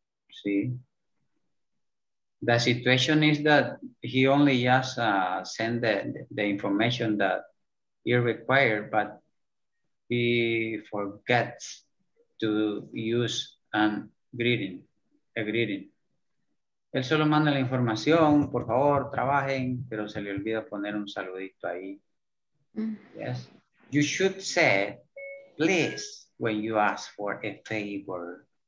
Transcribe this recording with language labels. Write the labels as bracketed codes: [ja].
[es] Sí. [en] The situation is that he only just send the information that he required, but he forgets to use a greeting. [es] Él solo manda la información, por favor, trabajen, pero se le olvida poner un saludito ahí. [en] Yes. You should say please when you ask for a favor.